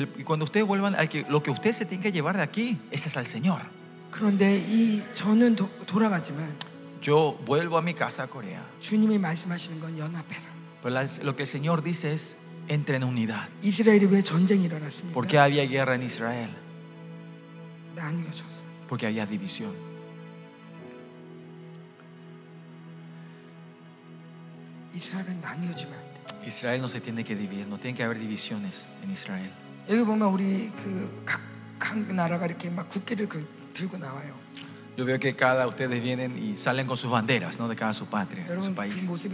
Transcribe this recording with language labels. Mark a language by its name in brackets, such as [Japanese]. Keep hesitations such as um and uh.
[Spanish] y, cuando ustedes vuelvan, hay que, lo que ustedes se tienen que llevar de aquí, ese es al Señor. [Korean] 그런데 이 저는 도, 돌아가지만 [Spanish] Yo vuelvo a mi casa Corea. [Korean] 주님이 말씀하시는 건 연합해라. [Spanish] Pero lo que el Señor dice es entre en unidad. [Korean] 이스라엘이 왜 전쟁이 일어났습니까? [Spanish] Porque había guerra en Israel. [Korean] 나뉘어져서. [Spanish] Porque había división. [Korean] 이스라엘은 나뉘어지면 안 돼. [Spanish] Israel no se tiene que dividir. No tiene que haber divisiones en Israel. [Korean] 여기 보면 우리 그각 나라가 이렇게 막 국기를 그 [Spanish] Yo veo que cada ustedes vienen y salen con sus banderas, ¿no? De cada su patria, de su país.